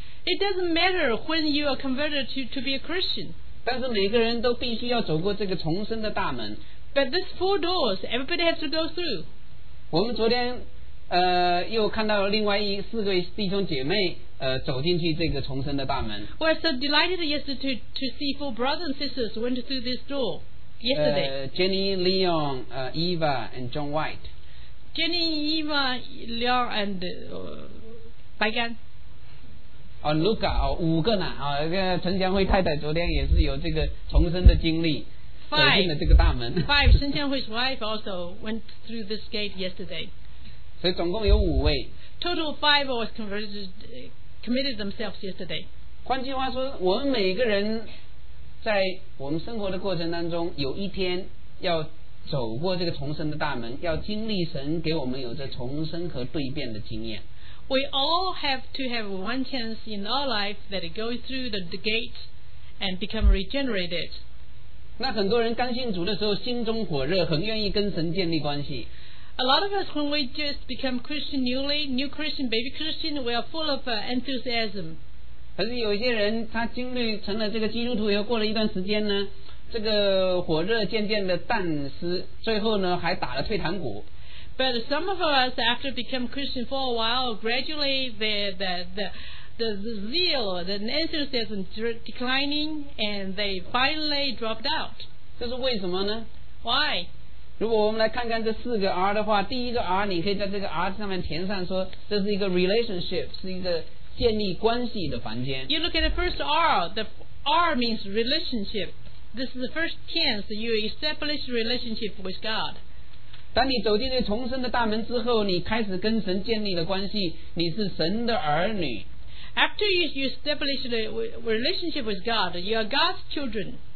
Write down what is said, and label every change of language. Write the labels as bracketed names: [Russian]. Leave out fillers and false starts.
[English] It doesn't matter when you are converted to be a Christian. [Chinese] 但是每个人都必须要走过这个重生的大门。 [English] But these four doors, everybody has to go through. [Chinese] 我们昨天又看到另外四位弟兄姐妹走进去这个重生的大门。 [English] We were so delighted yesterday to see four brothers and sisters went through this door yesterday. Jenny, Leon, Eva, and John White. Jenny, Eva, Leon, and Baigan. [Chinese] Luca, 五个呢陈祥辉太太昨天也是有这个重生的经历 [English] five, [Chinese] 走进了这个大门 [English] Five, 陈祥辉's wife also went through this gate yesterday [Chinese] 所以总共有五位 [English] Total five was committed themselves yesterday [Chinese] 换句话说我们每个人在我们生活的过程当中有一天要走过这个重生的大门要经历神给我们有着重生和蜕变的经验 [English] We all have to have one chance in our life that it goes through the gate and become regenerated. [Chinese] 那很多人刚信主的时候心中火热，很愿意跟神建立关系。 [English] A lot of us, when we just become Christian newly, new Christian, baby Christian, we are full of enthusiasm. [Chinese] 可是有些人他经历成了这个基督徒以后，过了一段时间呢，这个火热渐渐的淡失，最后呢还打了退堂鼓。 [English] But some of us, after become Christian for a while, gradually the zeal, the enthusiasm declining, and they finally dropped out. [Chinese] 这是为什么呢 [English] ？Why? [Chinese] 如果我们来看看这四个 R 的话，第一个 R 你可以在这个 R 上面填上说，这是一个 relationship， 是一个建立关系的房间。 [English] You look at the first R. The R means relationship. This is the first chance that you establish relationship with God. [Chinese] 当你走进这重生的大门之后，你开始跟神建立了关系，你是神的儿女。 [English] After you establish the relationship with God, you are God's children.